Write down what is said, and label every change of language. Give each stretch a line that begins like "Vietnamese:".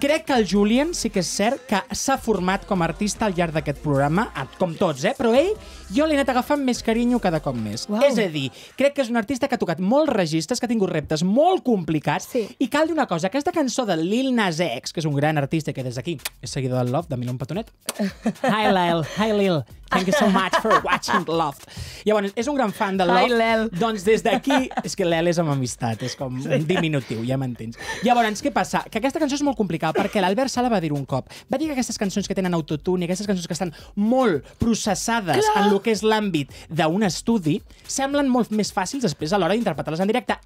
Catalan: Crec que el Julien sí que és cert que s'ha format com a artista al llarg d'aquest programa, com tots, eh? Però ell, jo l'he anat agafant més carinyo cada cop més. Wow. És a dir, crec que és un artista que ha tocat molts registres, que ha tingut reptes molt complicats, sí. I cal dir una cosa, aquesta cançó de Lil Nas X, que és un gran artista que des d'aquí és seguidor del Love, de Milón Petonet.
English: Hi, Lil. Hi, Lil. Thank you so much for watching Love.
Catalan: Llavors, és un gran fan de Love.
English: Hi, Lil.
Catalan: Doncs des d'aquí... És que Lil és amb amistat, és com un diminutiu, ja m'entens. Llavors, què passa? Que aquesta cançó és molt complicada perquè l'Albert Sala va dir un cop. Va dir que aquestes cançons que tenen autotune i aquestes cançons que estan molt processades, clar, en el que és l'àmbit d'un estudi, semblen molt més fàcils després a l'hora d'interpretar-les en directe.